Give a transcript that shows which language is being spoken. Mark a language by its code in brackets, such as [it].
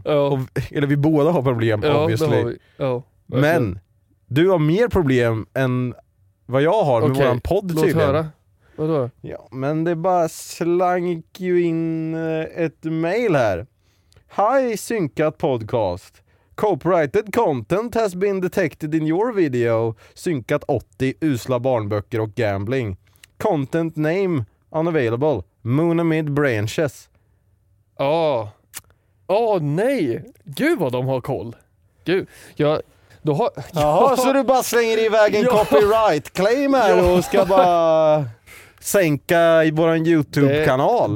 [sv] Ja. Och, eller vi båda har problem, ja, [en] obviously. [sv] Det har vi. Ja, men du har mer problem än vad jag har med våran podd tydligen. Låt höra. Vadå? Ja, men det bara slank ju in ett mail här. [en] Hi, synkat podcast. Copyrighted content has been detected in your video. [sv] Synkat 80, usla barnböcker och gambling. [en] Content name unavailable. Moon amid branches. [sv] Åh. Åh, nej. Gud vad de har koll. Gud. Jag, då har, jaha, ja. Så du bara slänger iväg en copyright claim här och ska bara sänka i våran YouTube-kanal.